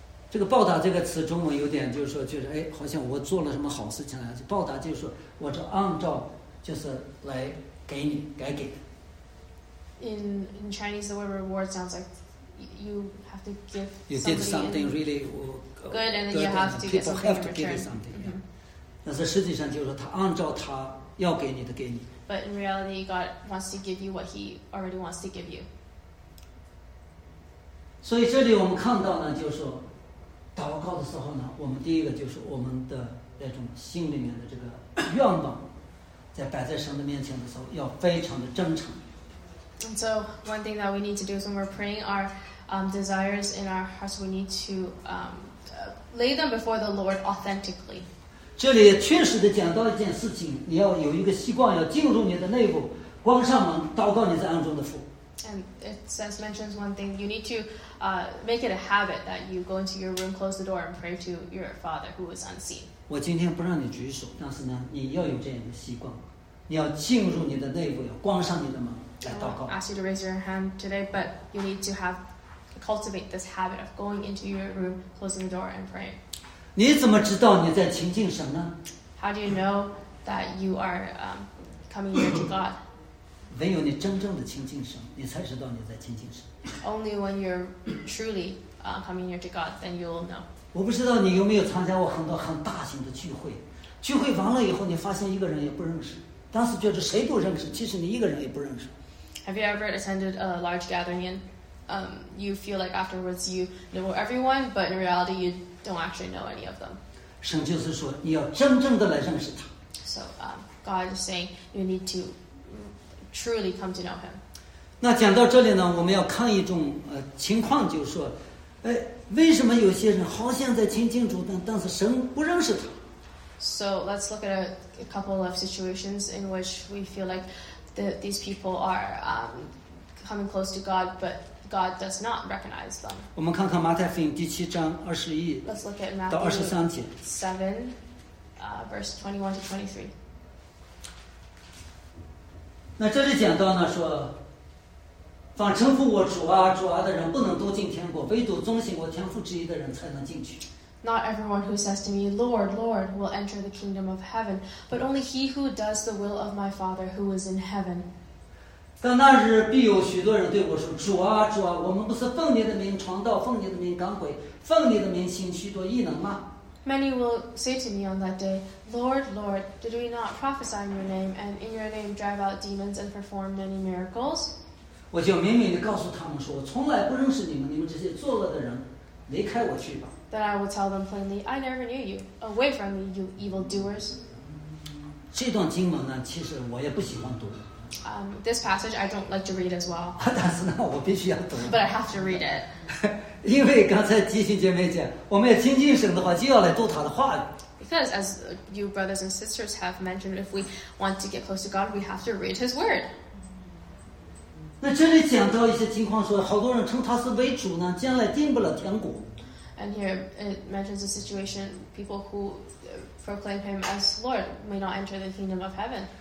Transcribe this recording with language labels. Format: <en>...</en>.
<zh>这个报答这个词中文有点就是说就是哎，好像我做了什么好事情来，报答就是说我这按照就是来给你该给的。</zh> <en>In Chinese the word reward sounds like you have to give something. You did something really good and then you have to get something in return. People have to give you something.</en> <zh>但是实际上就是说他按照他要给你的给你。</zh> <en>But in reality God wants to give you what he already wants to give you.</en> <zh>所以这里我们看到呢就是说祷告的时候呢，我们第一个就是我们的那种心里面的这个愿望，在摆在神的面前的时候，要非常的真诚。</zh> <en>And so one thing that we need to do when we're praying, our desires in our hearts, we need to lay them before the Lord authentically.</en> <zh>这里确实的讲到一件事情，你要有一个习惯，要进入你的内部，关上门，祷告你在暗中的父。</zh> <en>And it says mentions one thing, you need to make it a habit that you go into your room, close the door, and pray to your father who is unseen.</en> <zh>我今天不让你举手，但是呢，你要有这样的习惯，你要进入你的内部，要关上你的门来祷告。</zh> <en>I ask you to raise your hand today, but you need to have cultivate this habit of going into your room, closing the door, and praying.</en> <zh>你怎么知道你在亲近神呢？</zh> <en>How do you know that you are coming near to God?</en> <zh>唯有你真正的亲近神，你才知道你在亲近神。</zh> <en>Only when you're truly coming near to God, then you'll know.</en> <zh>我不知道你有没有参加过很多很大型的聚会，聚会完了以后，你发现一个人也不认识，当时觉得谁不认识，其实你一个人也不认识。</zh> <en>Have you ever attended a large gathering and you feel like afterwards you know everyone, but in reality you don't actually know any of them?</en> <zh>神就是说你要真正的来认识他。</zh> <en>So God is saying you need to truly come to know Him.</en> <zh>那讲到这里呢，我们要看一种情况，就是说，哎，为什么有些人好像在亲近主，但是神不认识他</zh> <en>？So let's look at a couple of situations in which we feel like these people are coming close to God, but God does not recognize them.</en> <zh>我们看看马太福音第七章二十一到二十三节。</zh> <en>Let's look at Matthew 7:21-23.</en> <zh>那这里讲到呢，说。凡称呼我主啊主啊的人不能都进天国，唯独遵行我天父旨意的人才能进去。</zh> <en>Not everyone who says to me Lord Lord will enter the kingdom of heaven, but only he who does the will of my Father who is in heaven.</en> <zh>但那日必有许多人对我说，主啊主啊，我们不是奉你的名传道，奉你的名赶鬼，奉你的名行许多异能吗？</zh> <en>Many will say to me on that day, Lord Lord, did we not prophesy in your name and in your name drive out demons and perform many miracles?</en> <zh>我就明明地告诉他们说，我从来不认识你们，你们这些作恶的人，离开我去吧。</zh> <en>Then I will tell them plainly, I never knew you. Away from me, you evil doers.</en> <zh>这段经文呢，其实我也不喜欢读。</zh> <en>This passage I don't like to read as well.</en> <zh>但是呢，我必须要读。</zh> <en>But I have to read it.</en> <zh>因为刚才弟兄姐妹讲，我们要亲近神的话，就要来读他的话语。</zh> <en>Because as you brothers and sisters have mentioned, if we want to get close to God, we have to read His Word.</en> <zh>那这里讲到一些情况，说好多人称他是为主呢，将来进不了天国。</zh> <en>And here it mentions a situation: people who proclaim him as Lord may not enter the kingdom of heaven.</en>